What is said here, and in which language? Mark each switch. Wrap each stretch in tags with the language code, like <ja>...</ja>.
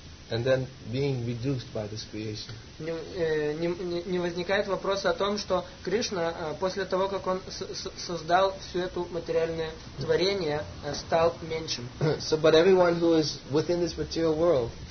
<en>And then being reduced by this creation.</en> <ru>Не возникает вопроса о том, что Кришна после того, как он создал всю эту материальное творение, стал меньшим.</ru> <en>So, but everyone who is within this material world.</en>